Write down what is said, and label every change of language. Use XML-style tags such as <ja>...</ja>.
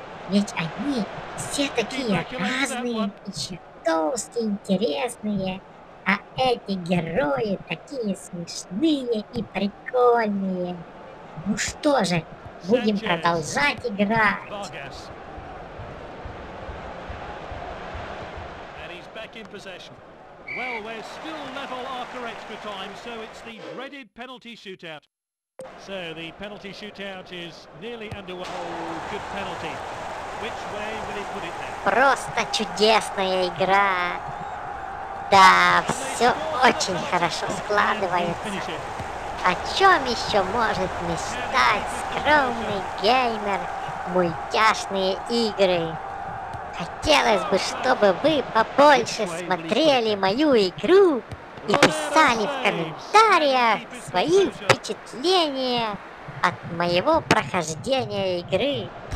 <ru>Ведь они все такие разные и чертовски интересные. А эти герои такие смешные и прикольные. Ну что же, будем продолжать играть.</ru> <en>And he's back in possession. Well, we're still level after extra time, so it's the dreaded penalty shootout. So the penalty shootout is nearly underway. Oh, good penalty. Which way will he put it then?</en> <ru>Просто чудесная игра. Да, все очень хорошо складывается. О чем еще может мечтать скромный геймер мультяшные игры? Хотелось бы, чтобы вы побольше смотрели мою игру и писали в комментариях свои впечатления от моего прохождения игры.</ru>